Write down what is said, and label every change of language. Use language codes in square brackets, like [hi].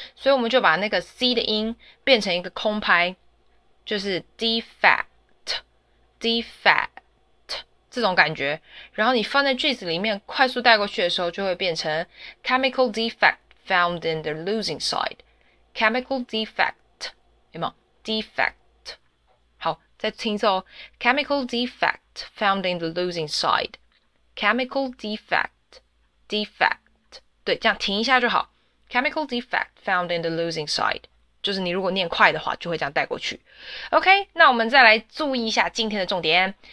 [zh] 所以我们就把那个 c 的音变成一个空拍，就是 defect 这种感觉。然后你放在句子里面快速带过去的时候，就会变成 [en] chemical defect found in the losing side，chemical defect。 [zh] 有没有 defect？ 好，再听一次哦。 [en] Chemical defect found in the losing side. Chemical defect. [zh] 对，这样停一下就好。 [en] Chemical defect found in the losing side. [zh] 就是你如果念快的话，就会这样带过去。OK，那我们再来注意一下今天的重点。